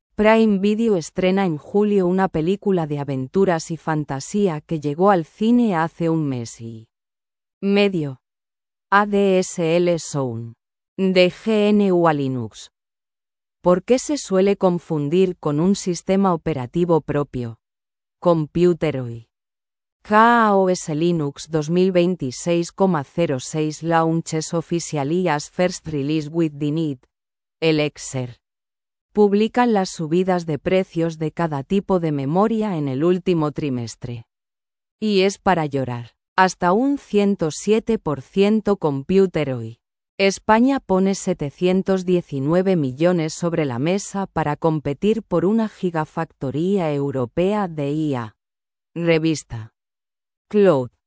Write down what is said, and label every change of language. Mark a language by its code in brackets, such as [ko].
[es] Prime Video estrena en julio una película de aventuras y fantasía que llegó al cine hace un mes y medio. ADSL Zone. De GNU a Linux. ¿Por qué se suele confundir con un sistema operativo propio? Computeroy. [en] KaOS Linux 2026.06 launches officially as first release with DINIT. [es] Elixir. Publican las subidas de precios de cada tipo de memoria en el último trimestre. Y es para llorar. Hasta un 107% Computeroy. España pone 719 millones sobre la mesa para competir por una gigafactoría europea de IA. Revista. Cloud.